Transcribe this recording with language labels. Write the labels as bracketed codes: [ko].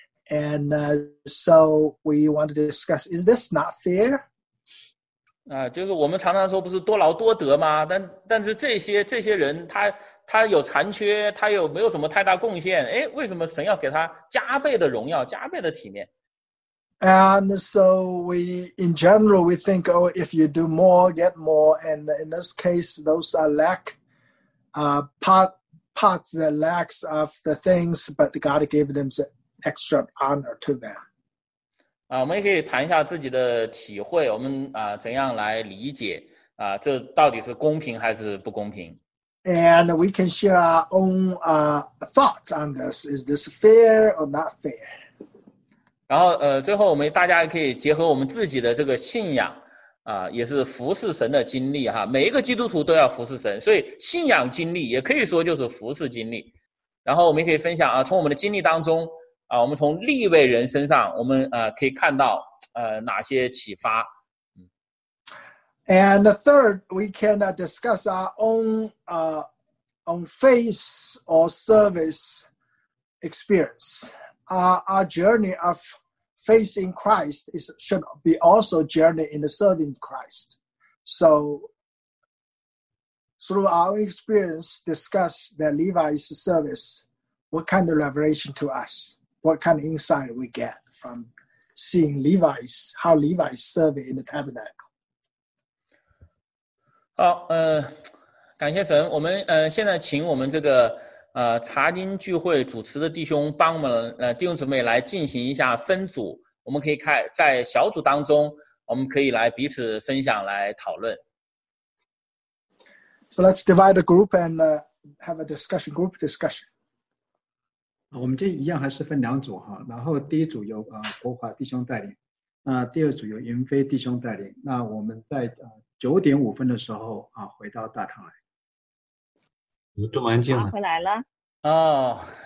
[en] And so we want to discuss, is this not fair? [zh] 就是我们常常说不是多劳多得吗？但是这些人他有残缺，他有没有什么太大贡献？哎，为什么神要给他加倍的荣耀，加倍的体面？ [en] And so we, in general, we think, oh, if you do more, get more. And in this case, those are lack, parts that lacks of the things, but God gave them extra honor to them. [zh] 我们也可以谈一下自己的体会，我们怎样来理解这到底是公平还是不公平？ [en] And we can share our own thoughts on this. Is this fair or not fair? [zh] 然后最后我们大家可以结合我们自己的这个信仰也是服侍神的经历哈，每一个基督徒都要服侍神，所以信仰经历也可以说就是服侍经历。然后我们也可以分享从我们的经历当中我们从利未人身上我们可以看到哪些启发。 [en] And the third, we can discuss our own faith or service experience. Our journey of faith in Christ should be also journey in the serving Christ. So, through our experience, discuss the Levi's service, what kind of revelation to us, what kind of insight we get from seeing Levi's, how Levi's serve in the tabernacle. [zh] 好，感谢神，我们现在请我们这个查经聚会主持的弟兄帮我们弟兄姊妹来进行一下分组，我们可以开在小组当中我们可以来彼此分享来讨论。 [en] So let's divide the group and have a discussion group discussion. [zh] 我们这一样还是分两组哈，然后第一组由国华弟兄带领，那第二组由云飞弟兄带领，那我们在9:05的时候回到大堂来。这么安静了，回来了。